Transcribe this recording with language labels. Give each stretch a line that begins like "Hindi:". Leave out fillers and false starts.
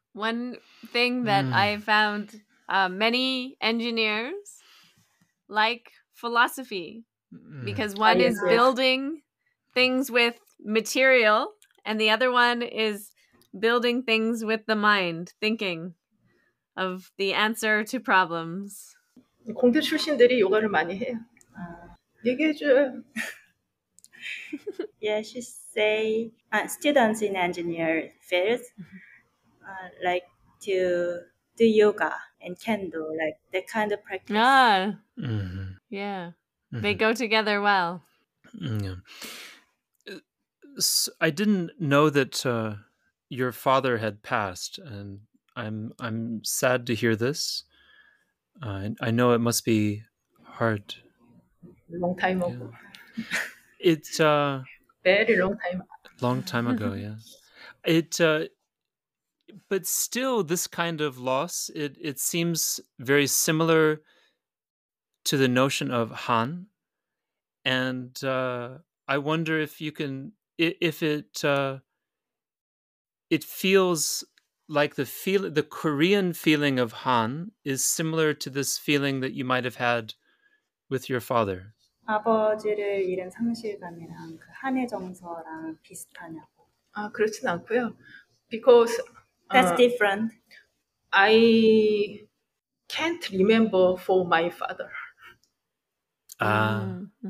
English: One thing that I found many engineers like philosophy, because one is building... things with material, and the other one is building things with the mind, thinking of the answer to problems.
Korean: 공대 출신들이 요가를 많이 해요. 얘기해 줘요.
English: Yeah, she say students in engineer fields like to do yoga and kendo, like that kind of practice. Ah, yeah, they go together well. Yeah. I didn't know that your father had passed, and I'm sad to hear this. I know it must be hard. Long time ago. It's very long time. Long time ago, yeah. It, but still, this kind of loss, it seems very similar to the notion of Han, and I wonder if you can. If it it feels like the Korean feeling of Han is similar to this feeling that you might have had with your father.
Korean: 아버지를 잃은 상실감이랑 그 한의 정서랑 비슷하냐고. 아 그렇진 않고요.
English: Because that's different. I can't remember for my father. 아.